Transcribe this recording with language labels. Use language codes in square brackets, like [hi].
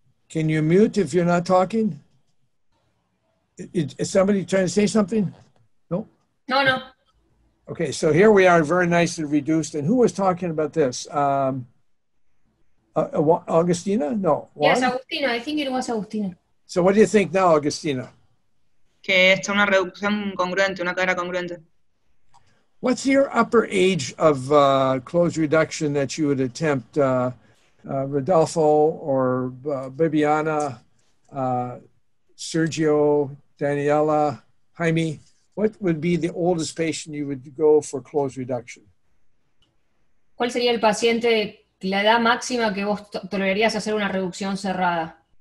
[en] Can you mute if you're not talking? Is somebody trying to say something? No? No, no. Okay, so here we are, very nicely reduced. And who was talking about this? Augustina? No. Juan? Yes, Augustina. I think it was Augustina. So what do you think now, Agustina? [es] Que esta una reducción congruente, una cadera congruente. [en] What's your upper age of close reduction that you would attempt, Rodolfo or Bibiana, Sergio, Daniela, Jaime? What would be the oldest patient you would go for close reduction? [es] ¿Cuál sería el paciente, la edad máxima que vos tolerarías hacer una reducción cerrada?